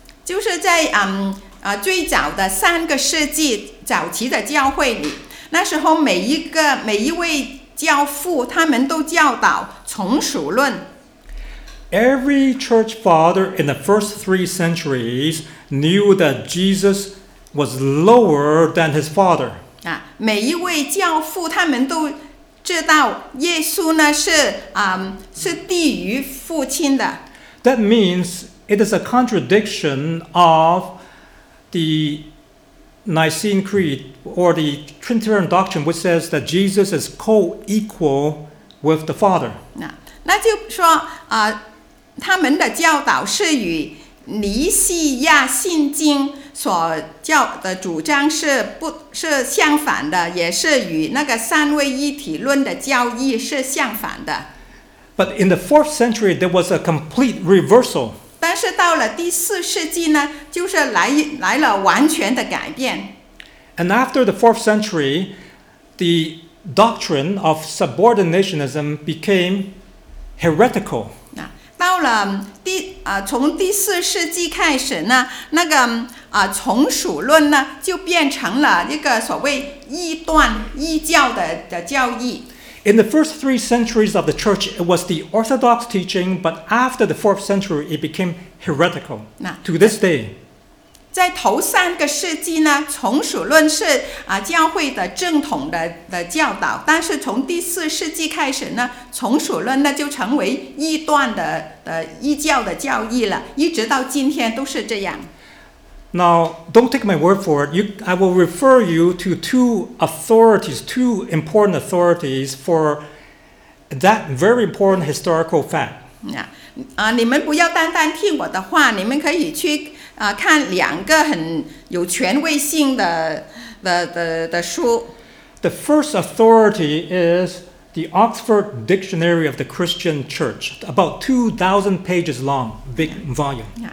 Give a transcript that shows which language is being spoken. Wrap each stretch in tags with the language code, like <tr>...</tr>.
<zh>就是在最早的三个世纪早期的教会里，那时候每一位教父他们都教导从属论。</zh> <en>Every church father in the first three centuries knew that Jesus was lower than his father.</en> <zh>每一位教父他们都知道耶稣呢 是低于父亲的。</zh> <en>That means it is a contradiction of the Nicene Creed or the Trinitarian Doctrine, which says that Jesus is co-equal with the Father.</en> <zh>那就说他们的教导是与尼西亚信经所教的主张是相反的，也是与那个三位一体论的教义是相反的。</zh> <en>But in the fourth century, there was a complete reversal.</en> <zh>但是到了第四世纪呢，就是来了完全的改变。</zh> <en>And after the fourth century, the doctrine of subordinationism became heretical.</en> <zh>到了从第四世纪开始呢，那个从属论呢就变成了一个所谓异端异教 的教义。</zh> <en>In the first three centuries of the church, it was the orthodox teaching, but after the fourth century, it became heretical to this day.</en> <zh>在头三个世纪呢，从属论是教会的正统 的教导，但是从第四世纪开始呢，从属论呢就成为异端的异教的教义了，一直到今天都是这样。</zh> <en>Now, don't take my word for it. I will refer you to two important authorities for that very important historical fact.</en> <zh>你们不要单单听我的话，你们可以去看两个很有权威性的书。</zh> <en>The first authority is the Oxford Dictionary of the Christian Church, about 2,000 pages long, big volume.</en>